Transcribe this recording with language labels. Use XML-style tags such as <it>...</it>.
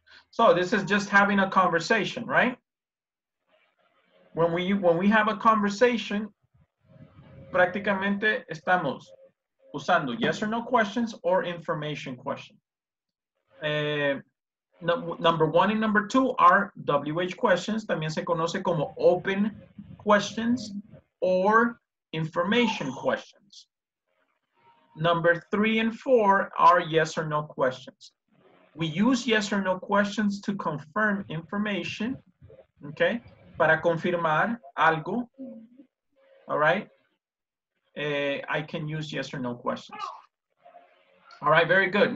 <en>So this is just having a conversation, right? When we have a conversation,</en> <es>prácticamente estamos usando</es> <en>yes or no questions or information questions. Number one and number two are WH questions.</en> <es>También se conoce como</es> <en>open questions or information questions. Number three and four are yes or no questions. We use yes or no questions to confirm information, okay?</en> <es>Para confirmar algo,</es> <en>all right? I can use yes or no questions. All right, very good.</en>